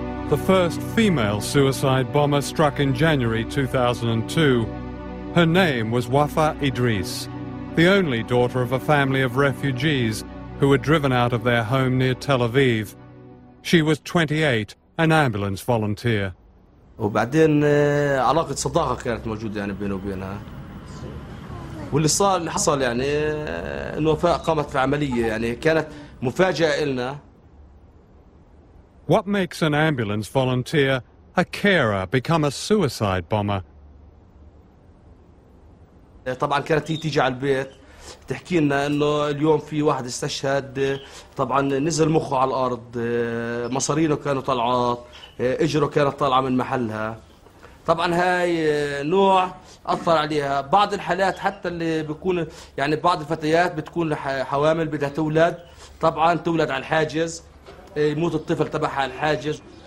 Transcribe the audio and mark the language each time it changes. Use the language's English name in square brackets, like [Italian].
[English] The first female suicide bomber struck in January 2002. Her name was Wafa Idris, the only daughter of a family of refugees who were driven out of their home near Tel Aviv. She was 28, an ambulance volunteer. [Arabic] واللي صار اللي حصل يعني انه وفاء قامت في عمليه يعني كانت مفاجاه لنا. [English] What makes an ambulance volunteer, a carer, become a suicide bomber? [Arabic] طبعا كانت تيجي على البيت تحكي لنا انه اليوم في واحد استشهد, طبعا نزل مخه على الارض, مصارينه كانوا طلعات, اجره كانت طالعه من محلها. طبعا هاي نوع اثر عليها بعض الحالات, حتى اللي بيكون يعني بعض الفتيات بتكون حوامل بدها تولد, طبعا تولد على الحاجز, يموت الطفل تبعها على الحاجز.